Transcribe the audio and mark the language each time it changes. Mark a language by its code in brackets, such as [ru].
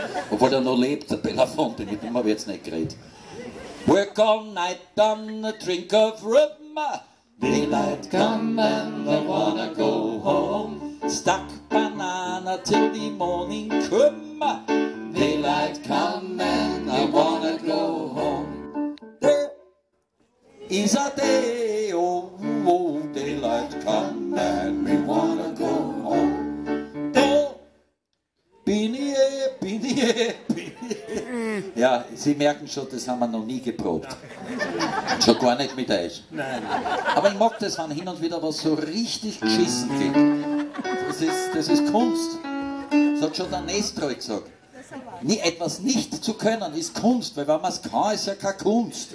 [de] Obwohl er noch lebt, der Belafonte, mit dem habe ich jetzt nicht geredet. [en] Work all night on a drink of rum. Daylight come and I wanna go home. Stuck banana till the morning come. Daylight come and I wanna go home. There is a day, oh, oh. Daylight come and we wanna go home. Do! Binie, binie, binie. [de] Ja, Sie merken schon, das haben wir noch nie geprobt. Nein. Schon gar nicht mit euch. Nein. Aber ich mag das, wenn hin und wieder was so richtig geschissen geht. Das ist Kunst. Das hat schon der Nestroy gesagt. Nie etwas nicht zu können, ist Kunst, weil wenn man es kann, ist ja keine Kunst.